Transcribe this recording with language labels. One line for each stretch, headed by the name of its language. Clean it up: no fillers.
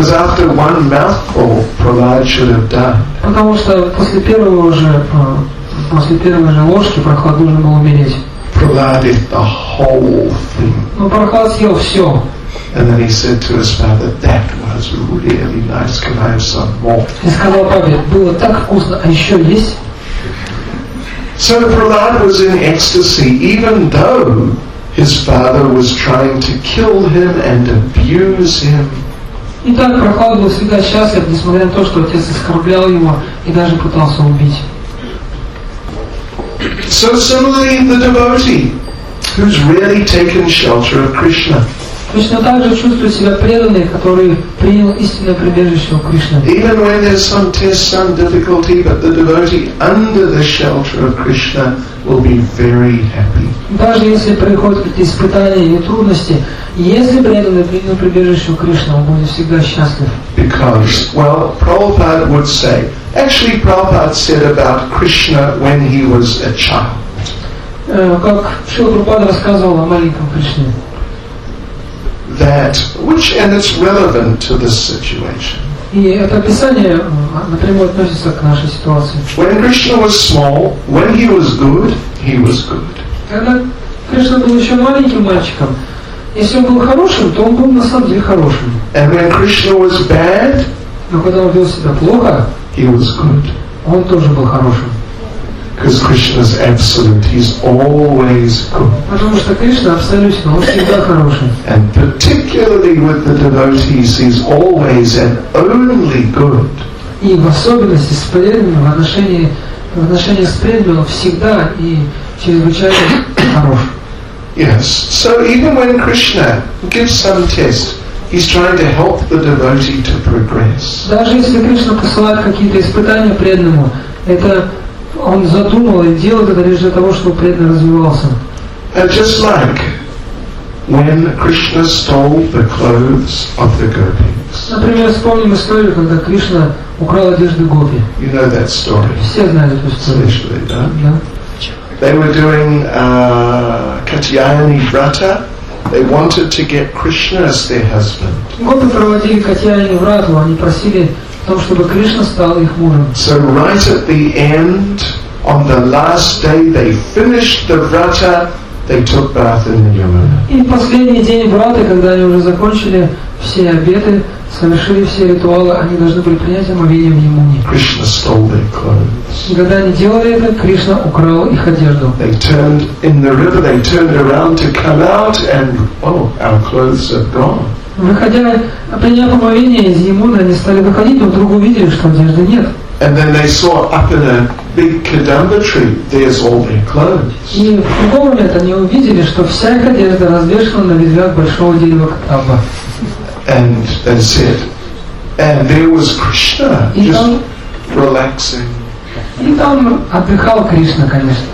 English: Because after one mouthful, Prahlad should have died.
Russian: Потому что после первой же ложки Прахлад должен был умереть.
English: Prahlad ate the whole thing.
Russian: Но Прахлад съел все.
English: And then he said to his father, "That was really nice. Can I have some more?"
Russian: И сказал папе, было так вкусно, а еще есть?
English: So Prahlad was in ecstasy, even though his father was trying to kill him and abuse him.
Russian: И так Прахлад был всегда счастлив, несмотря на то, что отец оскорблял его и даже пытался убить.
English: So similarly, the devotee who's really taken shelter of Krishna.
Russian: Точно так же чувствует себя преданный, который принял истинное прибежище у Кришны.
English: Even when there's some test, some difficulty, but the devotee under the shelter of Krishna will be very happy.
Russian: Даже если приходят какие-то испытания или трудности, если преданный принял прибежище у Кришны, он будет всегда счастлив.
English: Because, well, Prabhupada would say, actually Prabhupada said about Krishna when he was a child.
Russian: Как Шрила Прабхупада рассказывал о маленьком Кришне.
English: That which and it's relevant to this situation.
Russian: И это описание напрямую относится к нашей ситуации.
English: When Krishna was small, when he was good, he was good.
Russian: Когда Кришна был еще маленьким мальчиком, если он был хорошим, то он был на самом деле хорошим.
English: And when Krishna was bad,
Russian: но когда он вел себя плохо,
English: he was good.
Russian: Он тоже был хорошим.
English: Because Krishna is absolute, he's always good.
Russian: Потому что Кришна абсолютно, он всегда хороший.
English: And particularly with the devotees, he's always and only good.
Russian: И в особенности с преданными в отношении с преданными он всегда и чрезвычайно хорош.
English: Yes. So even when Krishna gives some test, he's trying to help the devotee to progress.
Russian: Даже если Кришна посылает какие-то испытания преданному, это Он задумал и делал это лишь для того, чтобы преданный развивался.
English: And just like when Krishna stole the clothes of the gopis.
Russian: Например, вспомним историю, когда Кришна украл одежды гопи.
English: You know that story.
Russian: Все знают эту историю. Слышали, да? Да.
English: They were doing Katyayani Vrata. They wanted to get Krishna as their husband.
Russian: Гопи проводили Катьяйани Врату, они просили Том, чтобы Кришна стал их мужем.
English: So right at the end, on the last day, they finished the vrata, they took bath in the Yamuna.
Russian: И в последний день враты, когда они уже закончили все обеты, совершили все ритуалы, они должны были принять омовение в Ямуне.
English: Krishna stole their clothes.
Russian: Когда они делали это, Кришна украл их одежду.
English: They turned in the river, they turned around to come out, and oh, our clothes are gone.
Russian: Выходя, приняв омовение из Ямуны, они стали выходить, но вдруг увидели, что одежды нет.
English: And then they saw up in a big kadamba tree, there's all their clothes.
Russian: И в другой момент они увидели, что вся их одежда развешена на ветвях большого дерева кадамба.
English: And they said, and there was Krishna, just relaxing.
Russian: И там отдыхал Кришна, конечно.